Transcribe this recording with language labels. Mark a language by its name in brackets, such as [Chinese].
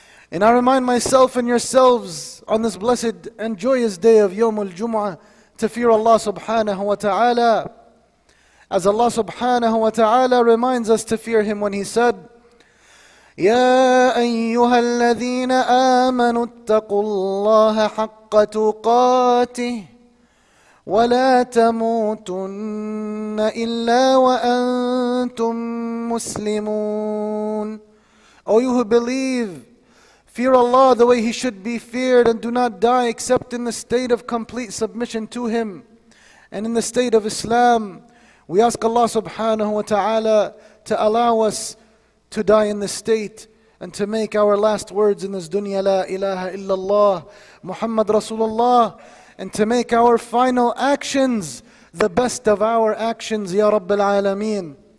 [English] And I remind myself and yourselves on this blessed and joyous day of Yawm al-Jum'ah to fear Allah subhanahu wa ta'ala, as Allah subhanahu wa ta'ala reminds us to fear Him when He said, [Arabic] يا أيها الذين آمنوا اتقوا الله حق تقاته ولا تموتن إلا وأنتم مسلمون. [English] O you who believe, fear Allah the way He should be feared, and do not die except in the state of complete submission to Him and in the state of Islam. We ask Allah subhanahu wa ta'ala to allow us to die in this state and to make our last words in this dunya la ilaha illallah Muhammad Rasulullah, and to make our final actions the best of our actions ya rabbal alameen.